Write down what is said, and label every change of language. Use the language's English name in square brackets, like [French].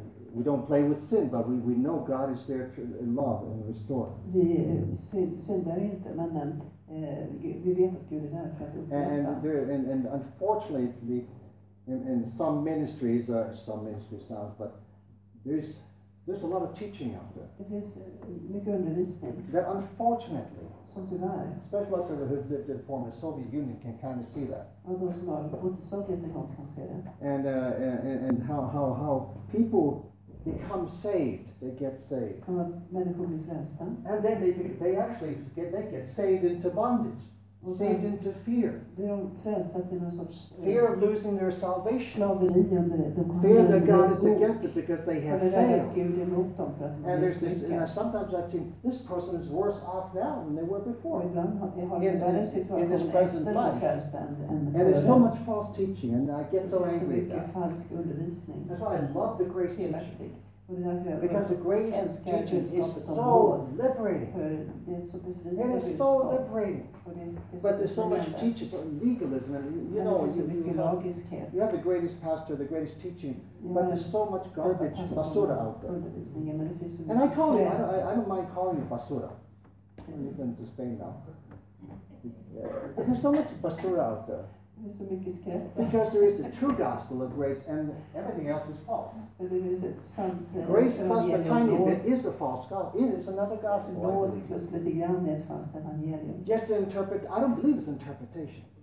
[English] We don't play with sin, but we know God is there to love and restore. [Swedish] Vi syndar inte, men vi vet att Gud är där för att upprätta. [English] And unfortunately, in some ministries, but there's a lot of teaching out there. [Swedish] Det finns mycket undervisning. [English] That unfortunately, [Swedish] som tyvärr, [English] especially those who lived in the former Soviet Union can kind of see that. [Swedish] Och de som har bott i Sovjet en gång kan se det. [English] And how people become saved. They get saved. [Swedish] Och människor blir frälsta. [English] And then they get saved into bondage. Saved into fear. [Swedish] Blir de frälsta till någon sorts [English] fear of losing their salvation. [Swedish] Slaveri under det. [English] Fear that God is against it because they have failed. [Swedish] Gud är emot dem för att de har misslyckats. [English] And sometimes I think this person is worse off now than they were before. [Swedish] Ibland har de en värre situation efter att de har frälsta än före. [English] And there's so much false teaching and I get so angry. [Swedish] Det finns så mycket falsk undervisning. [English] That's why I love the grace teaching. Because the grace teaching is so liberating. It is so liberating. But there's so much teaching on legalism. You know, you have the greatest pastor, the greatest teaching, but there's so much garbage, basura out there. And I call you, I don't mind calling you basura. You've been to Spain now. But there's so much basura out there. [Swedish] Så mycket skräp. [English] Because there is the true gospel of grace and everything else is false. [Swedish] Eller är det sant? [English] Grace plus a tiny bit is a false gospel. It is another gospel. [Swedish] Nåd plus lite grann är ett falskt evangelium. [English] Just to interpret, I don't believe it's interpretation.